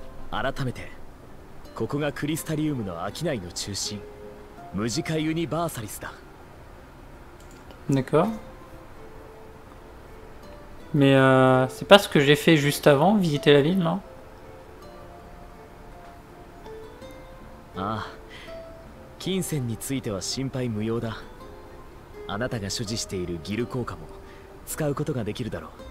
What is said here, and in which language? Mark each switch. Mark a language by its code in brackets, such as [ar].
[ja] Aratamete, ここがクリスタリウムの商いの中心。ムジカユニバーサリスだ。 [fr] D'accord. Mais c'est pas ce que j'ai fait juste avant, visiter la ville, non? [ja] ああ、金銭については心配無用だ。あなたが所持しているギル効果も使うことができるだろう。